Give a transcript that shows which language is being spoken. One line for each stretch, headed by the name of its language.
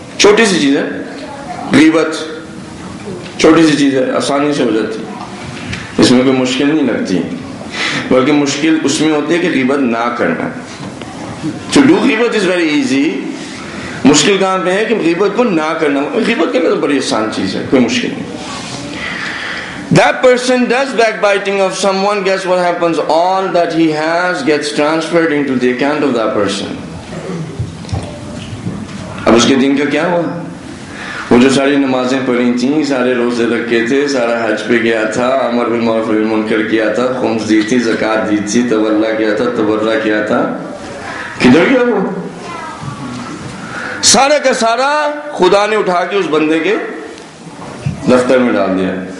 Urdu: چھوٹی سی چیز ہے غیبت, چھوٹی سی چیز ہے, آسانی سے ہو جاتی, اس میں کوئی مشکل نہیں لگتی, بلکہ مشکل اس میں ہوتی ہے کہ غیبت نہ کرنا.
English: to do غیبت is very easy,
Urdu: مشکل کہاں پہ ہے کہ غیبت کو نہ کرنا. غیبت کرنا تو بڑی آسان چیز ہے, کوئی مشکل نہیں.
English: That person does backbiting of someone, guess what happens? All that he has gets transferred into the account of that person.
Urdu: اب اس کے دن کا کیا ہوا؟ وہ جو ساری نمازیں پڑھی تھیں, سارے روزے رکھے تھے, سارا حج پہ گیا تھا, امر بالمعروف نہی عن المنکر کیا تھا, خمس دی تھی, زکات دی تھی, تولا کیا تھا, تبرع کیا تھا, کدھر گیا وہ سارا کا سارا؟ خدا نے اٹھا کے اس بندے کے دفتر میں ڈال دیا.